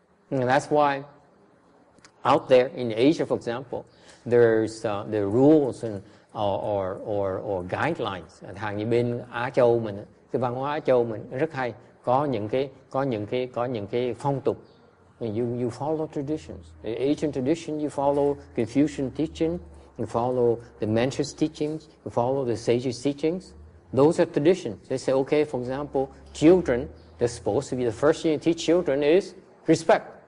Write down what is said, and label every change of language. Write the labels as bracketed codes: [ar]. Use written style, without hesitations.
[en] And that's why out there in Asia, for example, there's the rules and or guidelines. [vi] Hàng như bên Á Châu mình, cái văn hóa Á Châu mình rất hay có những cái phong tục. [en] You follow traditions. The ancient tradition, you follow Confucian teaching, you follow the Manchu's teachings, you follow the sages' teachings. Those are traditions. They say, okay, for example, children, they're supposed to be the first thing you teach children is respect.